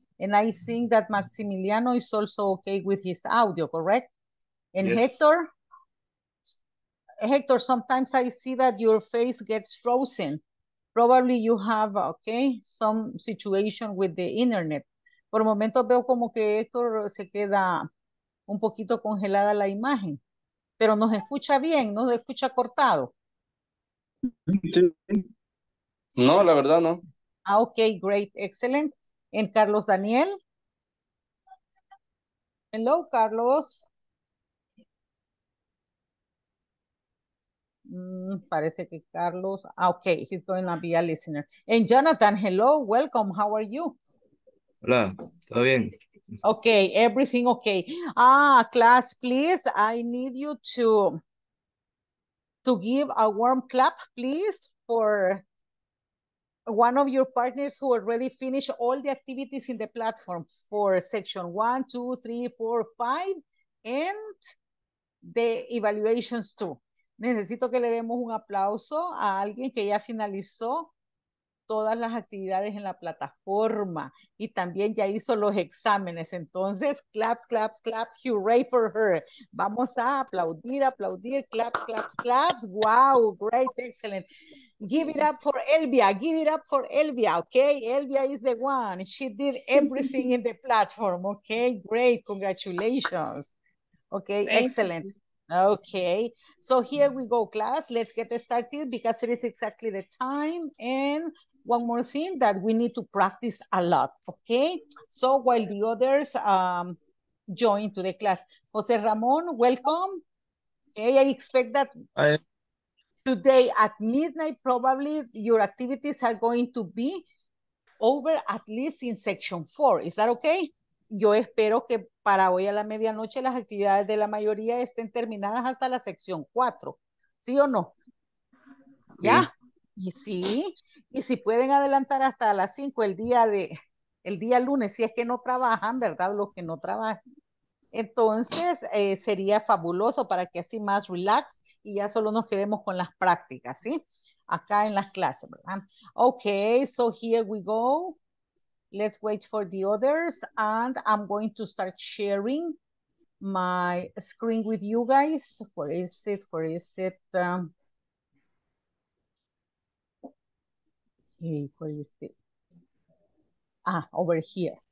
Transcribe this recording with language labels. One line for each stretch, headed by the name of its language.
English: And I think that Maximiliano is also okay with his audio, correct? And yes. Hector? Hector, sometimes I see that your face gets frozen. Probably you have, okay, some situation with the internet.
Spanish: Por momentos veo como que Héctor se queda un poquito congelada la imagen, pero nos escucha bien, no nos escucha cortado. Sí. No, la verdad no.
English: Ah, okay, great, excellent.
Spanish: ¿En Carlos Daniel?
English: Hello, Carlos.
Spanish: Parece que Carlos,
English: okay, he's going to be a listener. And Jonathan, hello, welcome, how are you?
Spanish: Hola, ¿todo bien?
English: Okay, everything okay. Ah, class, please, I need you to give a warm clap, please, for one of your partners who already finished all the activities in the platform for section 1, 2, 3, 4, 5, and the evaluations too.
Spanish: Necesito que le demos un aplauso a alguien que ya finalizó todas las actividades en la plataforma y también ya hizo los exámenes.
English: Entonces, claps, claps, claps, hooray for her.
Spanish: Vamos a aplaudir, aplaudir,
English: claps, claps, claps. Wow, great, excellent. Give it up for Elvia, give it up for Elvia, okay? Elvia is the one. She did everything in the platform, okay? Great, congratulations. Okay, excellent. Okay, so here we go, class. Let's get started because it is exactly the time. And one more thing that we need to practice a lot, okay? So while the others join to the class. Jose Ramon, welcome. Okay, I expect that today at midnight, probably your activities are going to be over at least in section 4. Is that okay?
Spanish: Yo espero que para hoy a la medianoche las actividades de la mayoría estén terminadas hasta la sección 4. ¿Sí o no? ¿Ya? Sí. Y sí. Y si pueden adelantar hasta las 5 el día lunes, si es que no trabajan, ¿verdad? Los que no trabajan. Entonces, sería fabuloso para que así más relax y ya solo nos quedemos con las prácticas, ¿sí? Acá en las clases, ¿verdad?
English: Okay, so here we go. Let's wait for the others, and I'm going to start sharing my screen with you guys. Where is it? Where is it? Okay, where is it? Ah, over here.